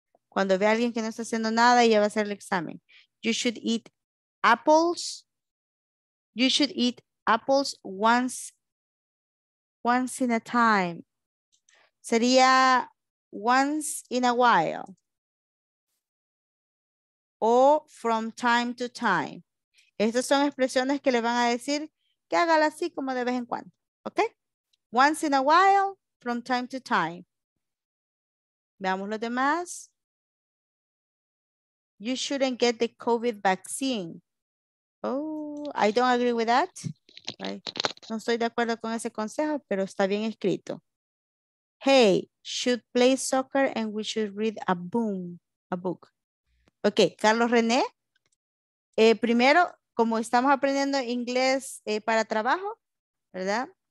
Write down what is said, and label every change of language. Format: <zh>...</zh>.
<es>Cuando ve a alguien que no está haciendo nada, ella va a hacer el examen.</es> <en>You should eat apples. You should eat apples once in a time.</en> <es>Sería</es> <en>once in a while. O from time to time.</en> <es>Estas son expresiones que le van a decir que hágalo así como de vez en cuando.</es> <en>Okay? Once in a while, from time to time.</en> <es>Veamos los demás.</es> <en>You shouldn't get the COVID vaccine. Oh, I don't agree with that. Right.</en> <es>No estoy de acuerdo con ese consejo, pero está bien escrito.</es> <en>Hey, should play soccer and we should read a book. Ok, Carlos René.</en> <es>Primero, como estamos aprendiendo inglés para trabajo, ¿verdad?</es>